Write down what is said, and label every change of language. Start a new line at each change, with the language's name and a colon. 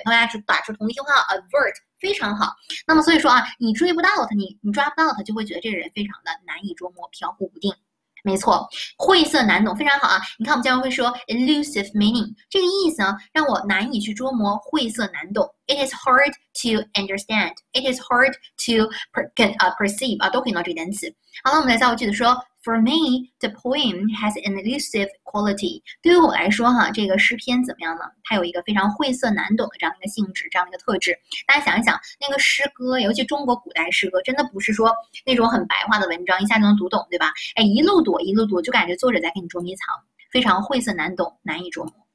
Chinese: 大家打出同义替换 avert 非常好。那么所以说啊，你追不到他，你抓不到他，就会觉得这个人非常的难以捉摸，飘忽不定。没错，晦涩难懂，非常好啊！你看，我们经常会说 elusive meaning，这个意思呢，让我难以去捉摸，晦涩难懂。
English: It is hard to understand. It is hard to perceive.
Chinese: 啊，都可以用到这个单词。好了，我们来造个句子说：
English: For me, the poem has an elusive quality.
Chinese: 对于我来说，哈，这个诗篇怎么样呢？它有一个非常晦涩难懂的这样一个性质，这样一个特质。大家想一想，那个诗歌，尤其中国古代诗歌，真的不是说那种很白话的文章，一下就能读懂，对吧？哎，一路躲，一路躲，就感觉作者在给你捉迷藏，非常晦涩难懂，难以捉摸。